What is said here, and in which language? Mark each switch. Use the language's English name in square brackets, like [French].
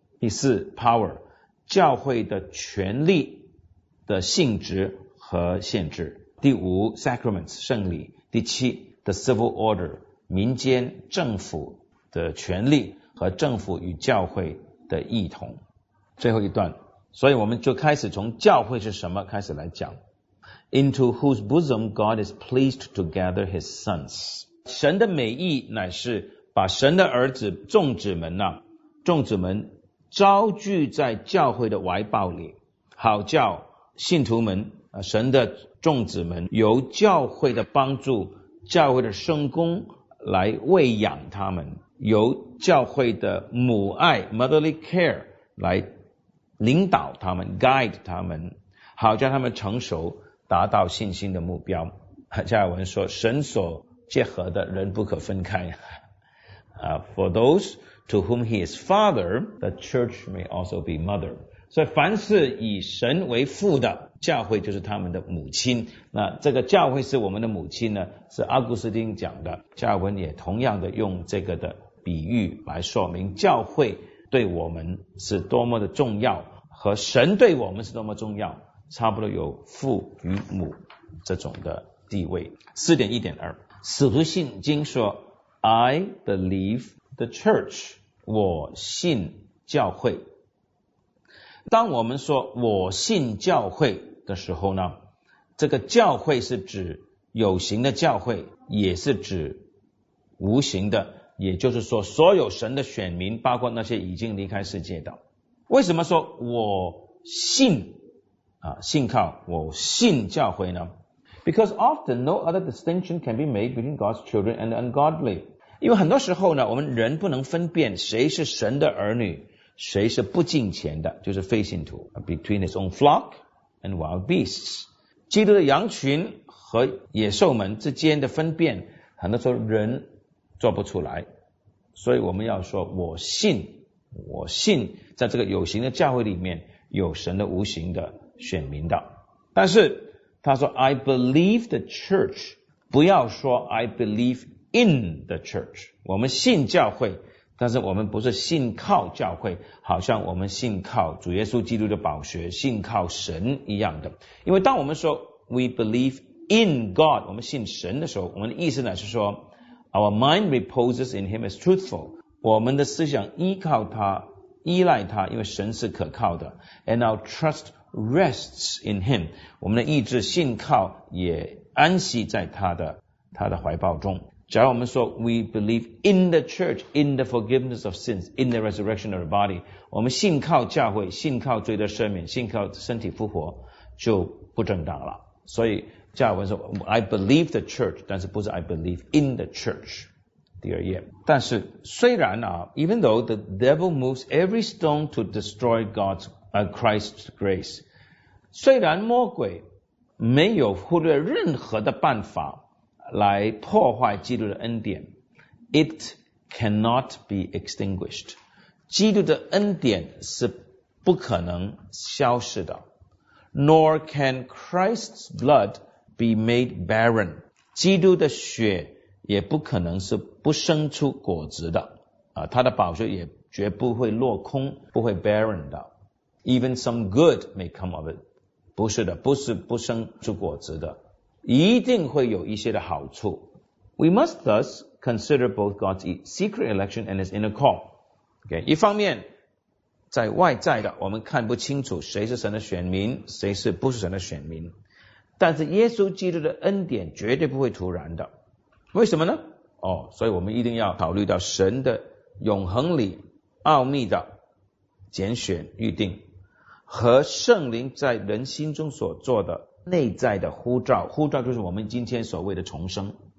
[Chinese] 第四， power， 教会的权力的性质和限制。第五， sacraments， 圣礼。第七， the civil order， 民间政府的权力和政府与教会的异同。最后一段，所以我们就开始从教会是什么开始来讲。 [English] Into whose bosom God is pleased to gather his sons. [Chinese] 神的美意乃是把神的儿子众子们啊，众子们招聚在教会的怀抱里，好叫信徒们，神的众子们由教会的帮助，教会的圣工来喂养他们，由教会的母爱 [English] motherly care [Chinese] 来领导他们 guide 他们，好叫他们成熟达到信心的目标。加尔文说，神所结合的人不可分开。 [English] For those to whom he is father, the church may also be mother. [Chinese] 所以凡是以神为父的，教会就是他们的母亲。那这个教会是我们的母亲呢，是阿古斯丁讲的。加尔文也同样的用这个的比喻来说明教会对我们是多么的重要，和神对我们是多么重要。差不多有父与母这种的地位。 4.1.2 使徒信经说 [English] I believe the church， [Chinese] 我信教会。当我们说我信教会的时候呢，这个教会是指有形的教会，也是指无形的，也就是说所有神的选民，包括那些已经离开世界的。为什么说我信信靠，我信教会呢？ [English] Because often no other distinction can be made between God's children and the ungodly. [Chinese] 因为很多时候呢，我们人不能分辨谁是神的儿女，谁是不敬虔的，就是非信徒。 [English] Between his own flock and wild beasts. [Chinese] 基督的羊群和野兽们之间的分辨，很多时候人做不出来。所以我们要说我信，我信在这个有形的教会里面，有神的无形的选民的。但是他说 [English] I believe the church， [Chinese] 不要说 [English] I believe in the church。 [Chinese] 我们信教会，但是我们不是信靠教会，好像我们信靠主耶稣基督的宝血，信靠神一样的。因为当我们说 [English] we believe in God， [Chinese] 我们信神的时候，我们的意思呢是说 [English] our mind reposes in him as truthful， [Chinese] 我们的思想依靠他，依赖他，因为神是可靠的。 [English] And our trust rests in him， [Chinese] 我们的意志信靠也安息在他的怀抱中。假如我们说 [English] we believe in the church, in the forgiveness of sins, in the resurrection of the body， [Chinese] 我们信靠教会，信靠罪的赦免，信靠身体复活，就不正当了。所以加尔文说 [English] I believe the church， [Chinese] 但是不是 [English] I believe in the church。 [Chinese] 第二页，但是虽然啊， [English] even though the devil moves every stone to destroy Christ's grace， [Chinese] 虽然魔鬼没有忽略任何的办法来破坏基督的恩典， [English] It cannot be extinguished， [Chinese] 基督的恩典是不可能消失的。 [English] Nor can Christ's blood be made barren， [Chinese] 基督的血也不可能是不生出果子的，他的宝血也绝不会落空，不会 barren 的。 [English] Even some good may come of it， [Chinese] 不是的，不是不生出果子的，一定会有一些的好处。 [English] We must thus consider both God's secret election and his inner call. [Chinese] Okay, 一方面在外在的我们看不清楚谁是神的选民，谁是不是神的选民，但是耶稣基督的恩典绝对不会突然的。为什么呢？所以我们一定要考虑到神的永恒里奥秘的拣选预定，和圣灵在人心中所做的内在的呼召，呼召就是我们今天所谓的重生。